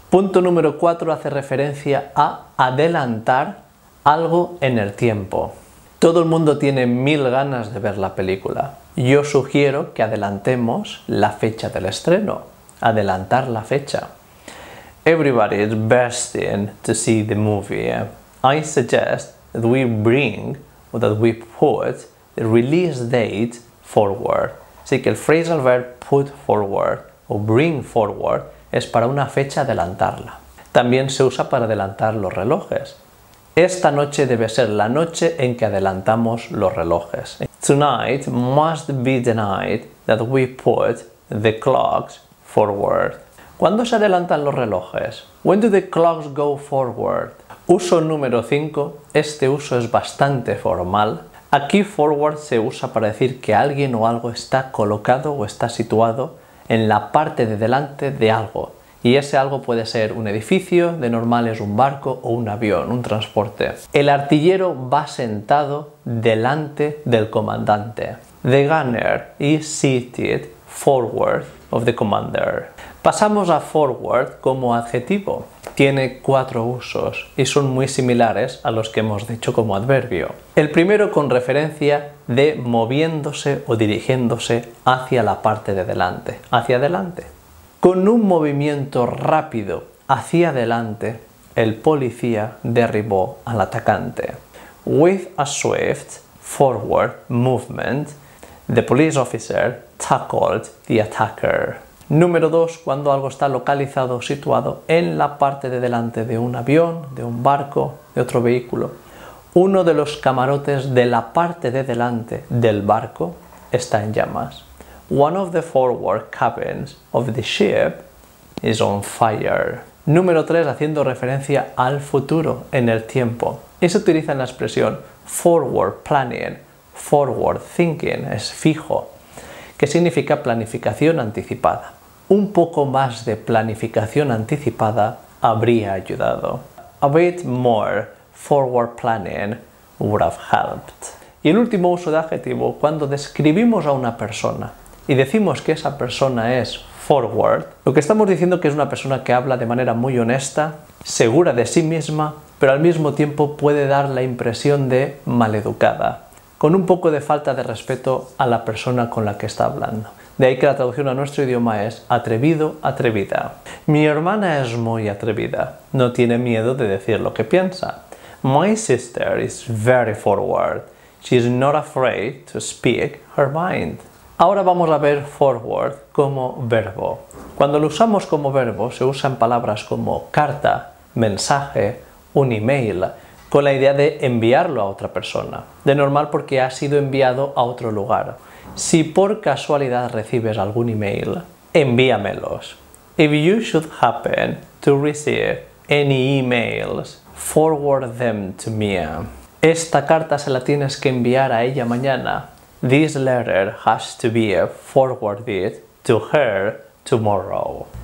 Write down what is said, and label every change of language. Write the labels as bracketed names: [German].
[Spanish] Punto número 4 hace referencia a adelantar algo en el tiempo. Todo el mundo tiene mil ganas de ver la película. Yo sugiero que adelantemos la fecha del estreno. Adelantar la fecha. [English] Everybody is bursting to see the movie. I suggest that we bring or that we put the release date forward. [Spanish] Así que el phrasal verb put forward o bring forward es para una fecha adelantarla. También se usa para adelantar los relojes. Esta noche debe ser la noche en que adelantamos los relojes. [English] Tonight must be the night that we put the clocks forward. [Spanish] ¿Cuándo se adelantan los relojes? [English] When do the clocks go forward? [Spanish] Uso número 5. Este uso es bastante formal. Aquí forward se usa para decir que alguien o algo está colocado o está situado en la parte de delante de algo. Y ese algo puede ser un edificio, de normal es un barco o un avión, un transporte. El artillero va sentado delante del comandante. [English] The gunner is seated forward of the commander. [Spanish] Pasamos a forward como adjetivo. Tiene 4 usos y son muy similares a los que hemos dicho como adverbio. El primero con referencia de moviéndose o dirigiéndose hacia la parte de delante, hacia adelante. Con un movimiento rápido hacia adelante, el policía derribó al atacante. [English] With a swift forward movement, the police officer tackled the attacker. [Spanish] Número 2, cuando algo está localizado o situado en la parte de delante de un avión, de un barco, de otro vehículo. Uno de los camarotes de la parte de delante del barco está en llamas. [English] One of the forward cabins of the ship is on fire. [Spanish] Número 3, haciendo referencia al futuro, en el tiempo. Y se utiliza en la expresión forward planning, forward thinking, es fijo, que significa planificación anticipada. Un poco más de planificación anticipada habría ayudado. [English] A bit more forward planning would have helped. [Spanish] Y el último uso de adjetivo, cuando describimos a una persona y decimos que esa persona es forward, lo que estamos diciendo que es una persona que habla de manera muy honesta, segura de sí misma, pero al mismo tiempo puede dar la impresión de maleducada, con un poco de falta de respeto a la persona con la que está hablando. De ahí que la traducción a nuestro idioma es atrevido, atrevida. Mi hermana es muy atrevida. No tiene miedo de decir lo que piensa. [English] My sister is very forward. She is not afraid to speak her mind. [Spanish] Ahora vamos a ver forward como verbo. Cuando lo usamos como verbo, se usan palabras como carta, mensaje, un email, con la idea de enviarlo a otra persona. De normal porque ha sido enviado a otro lugar. Si por casualidad recibes algún email, envíamelos. [English] If you should happen to receive any emails, forward them to me. [Spanish] Esta carta se la tienes que enviar a ella mañana. [English] This letter has to be forwarded to her tomorrow.